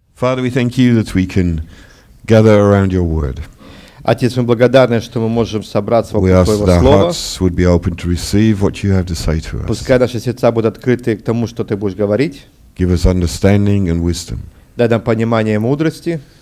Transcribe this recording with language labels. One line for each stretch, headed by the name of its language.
English: Father, we thank you that we can gather around your word.
Russian: Отец, мы благодарны, что мы можем собраться вокруг Твоего Слова.
English: We ask that our hearts would be open to receive what you have to say to us.
Russian: Пускай наши сердца будут открыты к тому, что Ты будешь говорить.
English: Give us understanding and wisdom.
Russian: Дай нам понимание и мудрости.